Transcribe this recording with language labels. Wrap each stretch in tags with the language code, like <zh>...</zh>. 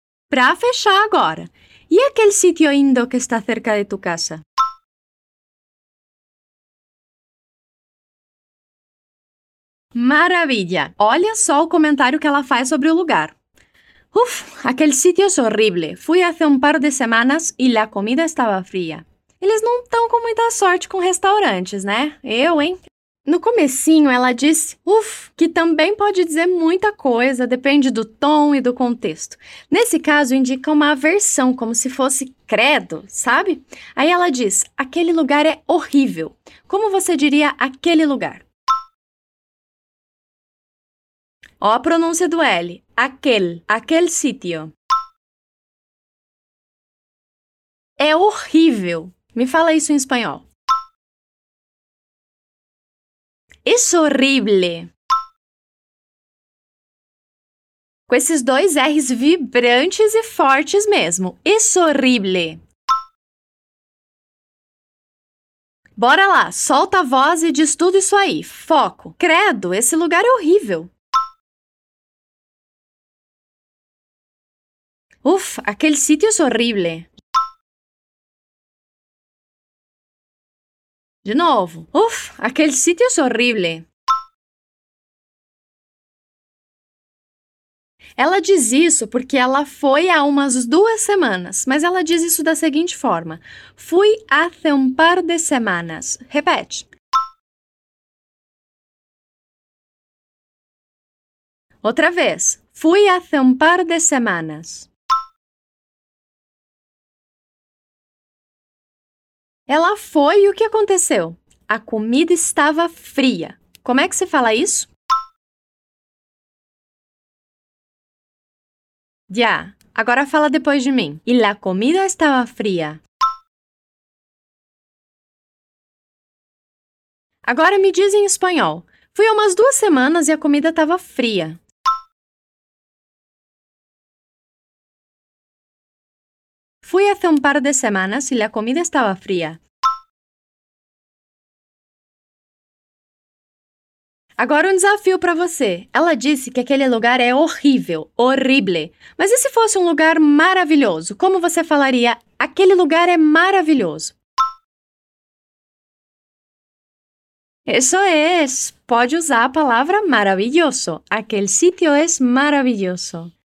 <pt>Para fechar agora.</pt> <es>E aquele sitio lindo que está cerca de tu casa?</es> <pt>Maravilha! Olha só o comentário que ela faz sobre o lugar.</pt> <es>Uf, aquele sitio es horrible. Fui hace un par de semanas y la comida estaba fría.</es> <pt>Eles não estão com muita sorte com restaurantes, né? Eu, hein? No comecinho, ela disse, uff, que também pode dizer muita coisa, depende do tom e do contexto. Nesse caso, indica uma aversão, como se fosse credo, sabe? Aí ela diz, aquele lugar é horrível. Como você diria aquele lugar? Ó a pronúncia do L.</pt> <es>Aquel, aquel sitio.</es> <pt>É horrível. Me fala isso em espanhol.</pt> <es>Es horrible.</es> <pt>Com esses dois R's vibrantes e fortes mesmo.</pt> <es>Es horrible.</es> <pt>Bora lá, solta a voz e diz tudo isso aí. Foco. Credo, esse lugar é horrível.</pt> <es>Uf, aquele sitio es horrible.</es> <pt>De novo.</pt> <es>Uf, aquele sitio es horrible.</es> <pt>Ela diz isso porque ela foi há umas duas semanas, mas ela diz isso da seguinte forma.</pt> <es>Fui hace un par de semanas.</es> <pt>Repete. Outra vez.</pt> <es>Fui hace un par de semanas.</es> <pt>Ela foi e o que aconteceu? A comida estava fria. Como é que se fala isso? Já. Agora fala depois de mim. E la comida estava fria. Agora me diz em espanhol. Fui há umas duas semanas e a comida estava fria.</pt> <es>Fui hace un par de semanas y la comida estaba fría.</es> <pt>Agora um desafio para você. Ela disse que aquele lugar é horrível, horrible. Mas e se fosse um lugar maravilhoso? Como você falaria, aquele lugar é maravilhoso?</pt> <es>Eso es. Puedo usar la palabra maravilloso. Aquel sitio es maravilloso.</es>